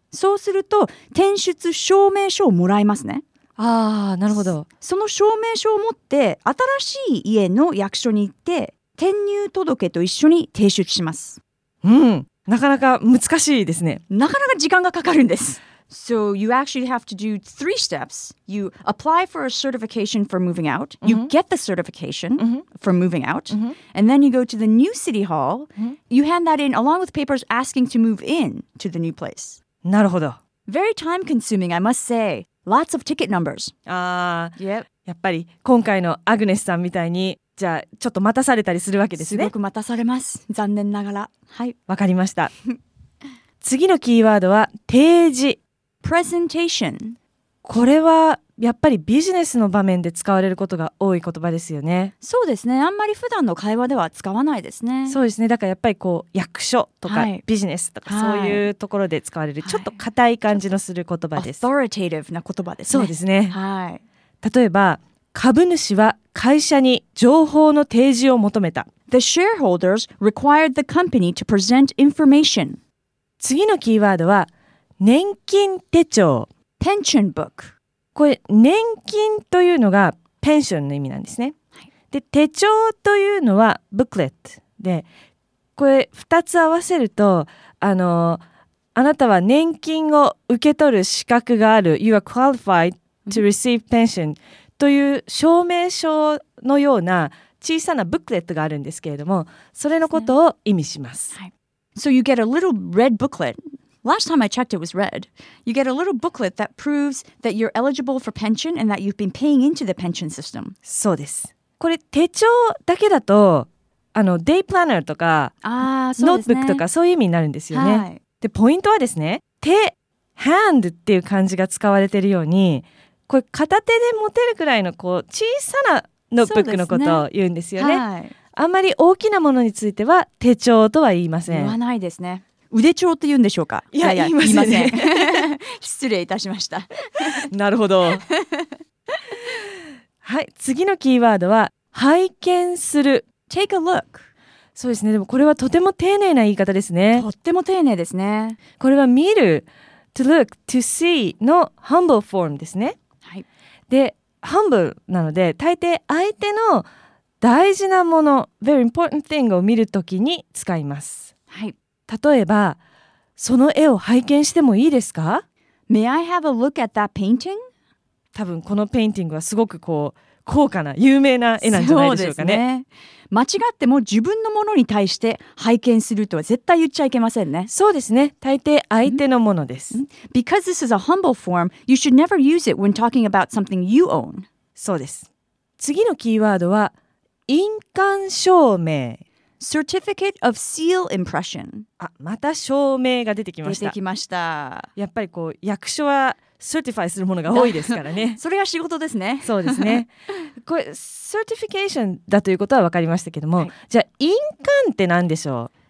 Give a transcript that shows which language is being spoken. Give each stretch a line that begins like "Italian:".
Japanese: そうすると転出証明書をもらいますね。あー、なるほど。その証明書を持って新しい家の役所に行って転入届と一緒に提出します。うん、なかなか難しいですね。なかなか時間がかかるんです。
English: So you actually have to do three steps. You apply for a certification for moving out. You get the certification for moving out. And then you go to the new city hall. You hand that in along with papers asking to move in to the new place.
Japanese: なるほど。
English: Very time consuming, I must say. Lots of ticket numbers. ああ、yep.
Japanese: やっぱり今回のアグネスさんみたいに、じゃあちょっと待たされたりするわけですね。すごく待たされます。残念ながら。はい。わかりました。次のキーワードは提示。
English: Presentation.
Japanese: これはやっぱりビジネスの場面で使われることが多い言葉ですよね。そうですね、あんまり普段の会話では使わないですね。そうですね、だからやっぱりこう役所とかビジネスとか、はい、そういうところで使われる、はい、ちょっと硬い感じのする言葉です。 Authoritative な言葉ですね。そうですね、はい、例えば株主は会社に情報の提示を求めた。
English: The shareholders required the company to present information.
Japanese: 次のキーワードは年金手帳。
English: Pension book.
Japanese: これ年金というのがペンションの意味なんですね、はい、で手帳というのは booklet で、これ2つ合わせると、あなたは年金を受け取る資格がある、
English: You are qualified to receive pension
Japanese: という証明書のような小さな booklet があるんですけれども、それのことを意味します、はい、
English: So you get a little red booklet. Last time I checked, it was red. You get a little booklet that proves that you're eligible for pension and that you've been paying into the pension system.
Japanese: そうです。これ手帳だけだと、day planner とか、ね、ノートブックとかそういう意味になるんですよね。はい、でポイントはですね、手、hand っていう漢字が使われているように、これ片手で持てるくらいのこう小さなノートブックのことを言うんですよね。はい、あんまり大きなものについては手帳とは言いません。言わないですね。腕帳って言うんでしょうか。いやいや、言いません、ね、失礼いたしました。なるほど。はい、次のキーワードは拝見する。
English: Take a look。
Japanese: そうですね、でもこれはとても丁寧な言い方ですね。とっても丁寧ですね。これは見る、
English: To look, to see
Japanese: の humble form ですね、はい、で humble なので大抵相手の大事なもの、
English: very important thing
Japanese: を見るときに使います。はい、例えば、その絵を拝見してもいいですか？
English: May I have a look at that painting?
Japanese: 多分このペインティングはすごくこう高価な有名な絵なんじゃないでしょうか ね。そうですね。間違っても自分のものに対して拝見するとは絶対言っちゃいけませんね。そうですね、大抵相手のものです。
English: Because this is a humble form, you should never use it when talking about something you own.
Japanese: そうです。次のキーワードは印鑑証明。
English: Certificate of seal impression.
Japanese: あ、また証明が出てきました。出てきました。やっぱりこう役所は certify するものが多いですからね。それが仕事ですね。そうですね。これ certification だということは分かりましたけども、はい、じゃあ印鑑って何でしょう？